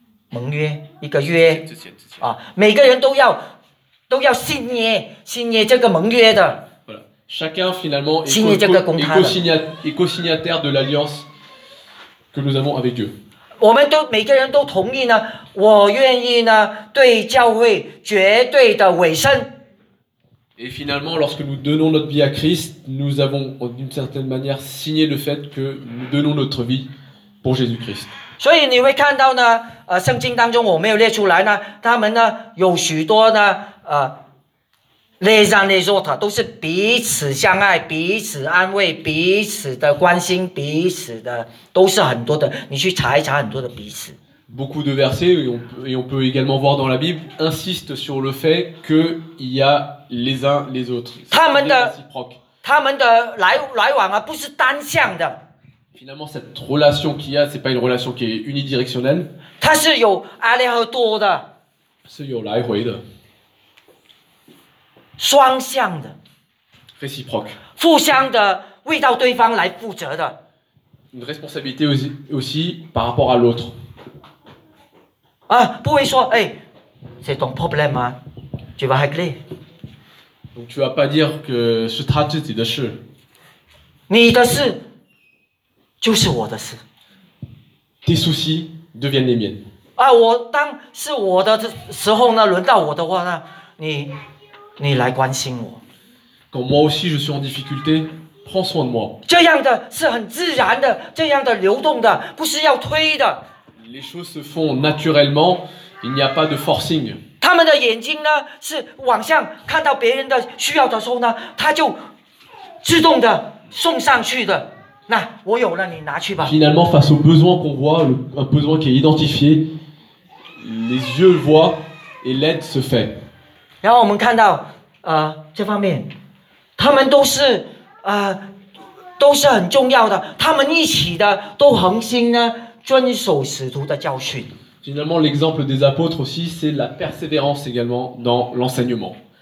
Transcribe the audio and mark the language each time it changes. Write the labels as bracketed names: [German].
[Chinese] 盟约一个约啊，每个人都要信耶这个盟约的。 [French] Voilà, chacun finalement est co-signataire de l'alliance que nous avons avec Dieu. [Chinese] 我们都每个人都同意呢，我愿意呢对教会绝对的委身。 [French] Et finalement, lorsque nous donnons notre vie à Christ, nous avons d'une certaine manière signé le fait que nous donnons notre vie pour Jésus-Christ. [Chinese] 所以你会看到呢，圣经当中我没有列出来呢，他们呢有许多呢， [French] les uns les autres [Chinese] 都是彼此相爱，彼此安慰，彼此的关心，彼此的都是很多的，你去查一查很多的彼此。 [French] Beaucoup de versets et on peut également voir dans la Bible insiste sur le fait que il y a les uns les autres. [Chinese] 他们的来往啊，不是单向的。 [French] Finalement, cette relation qu'il y a, c'est pas une relation qui est unidirectionnelle. [Chinese] 它是有来来回回的。是有来回的。双向的 [French] réciproque [Chinese] 互相的为到对方来负责的 [French] une responsabilité aussi par rapport à l'autre [Chinese] 啊，不会说哎， [French] c'est ton problème hein? Tu vas régler donc tu vas pas dire que c'est ta [Chinese] 自己的事你的事就是我的事 [French] tes soucis deviennent les miennes [Chinese] 啊，我当是我的时候呢，轮到我的话呢，你来关心我。 [French] Quand moi aussi je suis en difficulté, prends soin de moi. [Chinese] 这样的是很自然的，这样的流动的，不是要推的。 [French] Les choses se font naturellement, il n'y a pas de forcing. [Chinese] 他们的眼睛呢，是往上看到别人的需要的时候呢，他就自动的送上去的。那我有了，你拿去吧。 [French] Finalement, face au besoin qu'on voit, un besoin qui est identifié, les yeux voient et l'aide se fait. [Chinese] 然后我们看到，这方面，他们都是，都是很重要的。他们一起的都恒心呢，遵守使徒的教训。 [French] Finalement, l'exemple des apôtres aussi, c'est la persévérance également dans l'enseignement.